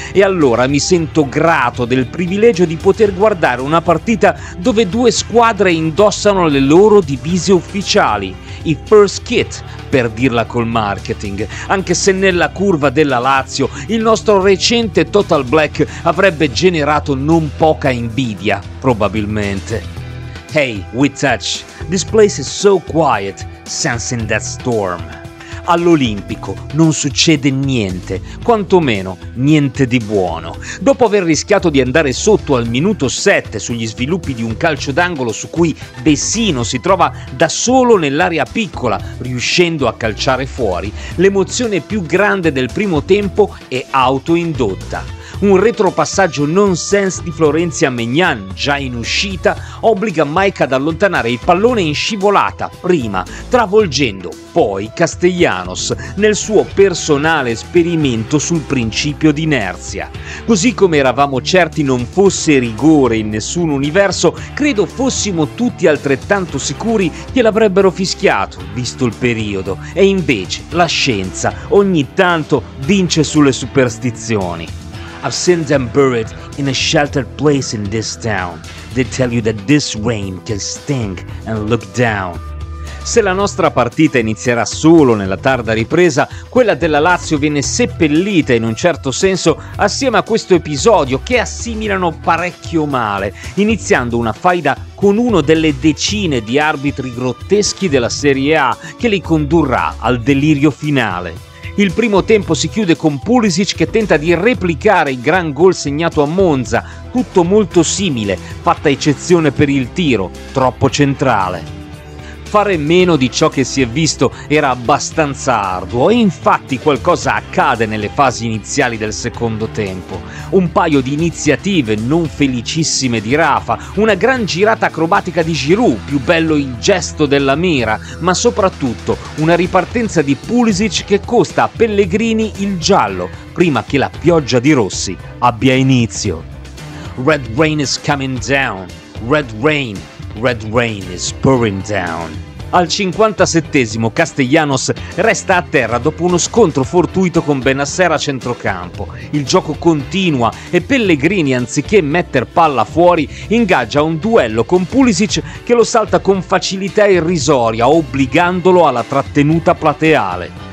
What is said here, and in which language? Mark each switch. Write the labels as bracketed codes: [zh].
[it] E allora mi sento grato del privilegio di poter guardare una partita dove due squadre indossano le loro divise ufficiali, i first kit, per dirla col marketing, anche se nella curva della Lazio il nostro recente Total Black avrebbe generato non poca invidia, probabilmente. [en] Hey, we touch. This place is so quiet, sensing that storm. [it] All'Olimpico non succede niente, quantomeno niente di buono. Dopo aver rischiato di andare sotto al minuto 7 sugli sviluppi di un calcio d'angolo su cui Vecino si trova da solo nell'area piccola, riuscendo a calciare fuori, l'emozione più grande del primo tempo è autoindotta. Un retropassaggio nonsense di Florenzia Maignan, già in uscita, obbliga Mike ad allontanare il pallone in scivolata, prima, travolgendo, poi, Castellanos nel suo personale esperimento sul principio di inerzia. Così come eravamo certi non fosse rigore in nessun universo, credo fossimo tutti altrettanto sicuri che l'avrebbero fischiato, visto il periodo. E invece, la scienza, ogni tanto, vince sulle superstizioni. [en] I've seen them buried in a sheltered place in this town. They tell you that this rain can sting and look down. [it] Se la nostra partita inizierà solo nella tarda ripresa, quella della Lazio viene seppellita in un certo senso assieme a questo episodio che assimilano parecchio male, iniziando una faida con uno delle decine di arbitri grotteschi della Serie A che li condurrà al delirio finale. Il primo tempo si chiude con Pulisic che tenta di replicare il gran gol segnato a Monza, tutto molto simile, fatta eccezione per il tiro, troppo centrale. Fare meno di ciò che si è visto era abbastanza arduo e infatti qualcosa accade nelle fasi iniziali del secondo tempo. Un paio di iniziative non felicissime di Rafa, una gran girata acrobatica di Giroud, più bello il gesto della mira, ma soprattutto una ripartenza di Pulisic che costa a Pellegrini il giallo prima che la pioggia di rossi abbia inizio. [en] Red rain is coming down, red rain. Red rain is pouring down. [it] Al 57esimo Castellanos resta a terra dopo uno scontro fortuito con Bennacer a centrocampo. Il gioco continua e Pellegrini, anziché metter palla fuori, ingaggia un duello con Pulisic che lo salta con facilità irrisoria, obbligandolo alla trattenuta plateale.